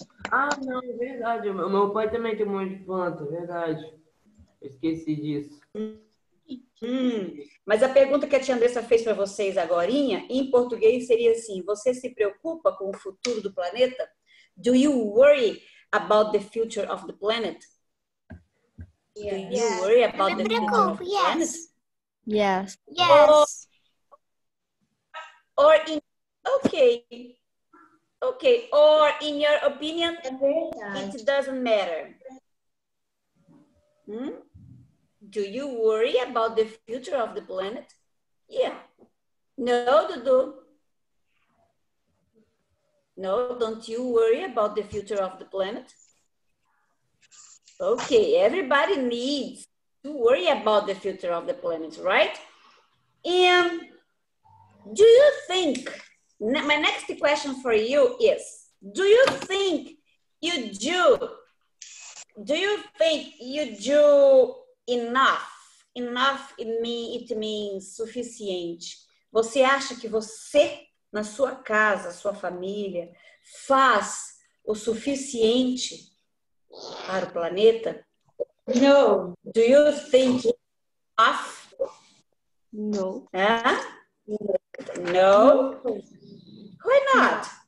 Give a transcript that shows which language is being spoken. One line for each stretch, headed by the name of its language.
Portuguese: Ah, não, verdade. O meu pai também tem um monte de planta, verdade. Eu esqueci disso. Mas a pergunta que a Tia Andressa fez para vocês agorinha, em português, seria assim, você se preocupa com o futuro do planeta?
English: Do you worry about the future of the planet? Yes. Do you worry about the future of the planet? Yes. Yes. Or in your opinion, it doesn't matter. Do you worry about the future of the planet? Yeah. No, Dudu. No, don't you worry about the future of the planet. Okay, everybody needs to worry about the future of the planet, right? And do you think, my next question for you is, do you think you do enough, it means suficiente.
Portuguese: Você acha que você, na sua casa, sua família, faz o suficiente para o planeta?
English: No. Do you think enough? No. Ah? No. No? Why not?